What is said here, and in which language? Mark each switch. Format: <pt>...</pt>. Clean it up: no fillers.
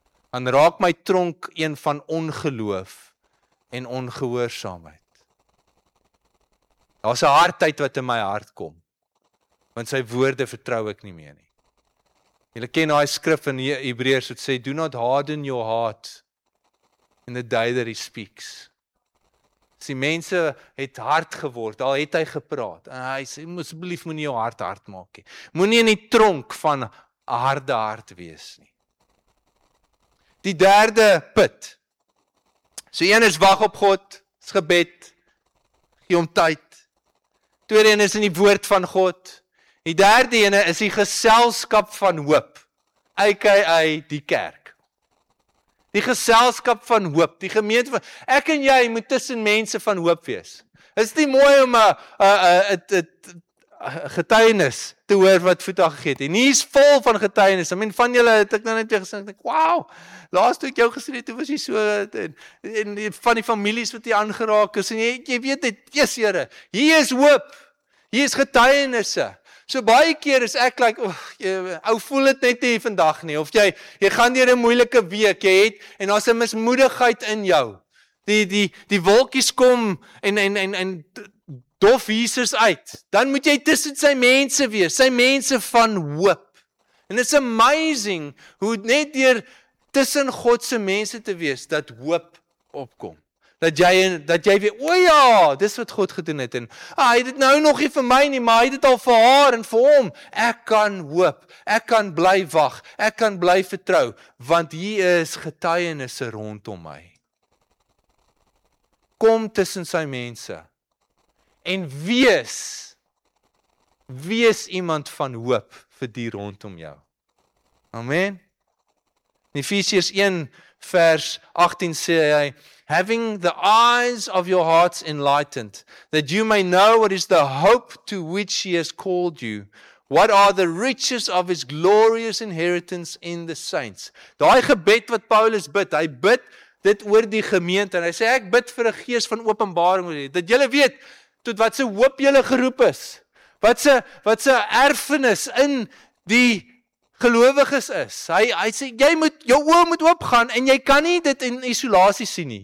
<af>Dan raak my tronk een van ongeloof en ongehoorsaamheid. Daar's 'n hardheid wat in my hart kom. Want sy woorde vertrou ek nie meer nie. Julle ken daai skrif in Hebreërs wat sê</af> <en>do not harden your heart in the day that he speaks.</en> <af>Sy mense het hard geword, al het hy gepraat. En hy sê asseblief moenie jou hart hard maak nie. Moenie in die tronk van 'n harde hart wees nie. Die derde put. So een is wag op God, is gebed, gee hom tyd. Tweede een is in die woord van God. Die derde een is die geselskap van hoop, aka die kerk. Die geselskap van hoop, die gemeente van, ek en jy moet tussen mense van hoop wees. Is nie mooi om 'n getuienis te hoor wat Voeta gegee het. En hier is vol van getuienis.</af> <en>I mean,</en> <af>van julle het ek nou net weer gesing, ek, wow, laas toe ek jou gesien het, toe was jy so, en van die families wat jy aangeraak is, en jy weet het, yes, Here, hier is hoop, hier is getuienisse. So baie keer is ek like, ou voel het net nie vandag nie, of jy gaan deur 'n moeilike week, jy het, en daar's 'n mismoedigheid in jou. Die wolkies kom, en dof Jesus uit. Dan moet jy tussen sy mense wees, sy mense van hoop. En</af> <en>it's amazing,</en> <af>hoe net deur tussen God se mense te wees, dat hoop opkom. Dat jy weet, o ja, dis wat God gedoen het, en hy het dit nou nog nie vir my nie, maar hy het dit al vir haar en vir hom. Ek kan hoop, ek kan bly wag, ek kan bly vertrou, want hier is getuienisse rondom my. Kom tussen sy mense, en wees iemand van hoop vir die rondom jou. Amen. In Efesiërs 1 vers 18 sê hy,</af> <en>having the eyes of your hearts enlightened, that you may know what is the hope to which he has called you, what are the riches of his glorious inheritance in the saints.</en> <af>Daai gebed wat Paulus bid, hy bid dit oor die gemeente, en hy sê, ek bid vir 'n gees van openbaring, dat julle weet, tot wat se hoop julle geroep is, wat se erfenis in die gelowiges is. Hy sê, jy moet, jou oë moet oopgaan, en jy kan nie dit in isolasie sien nie.</af>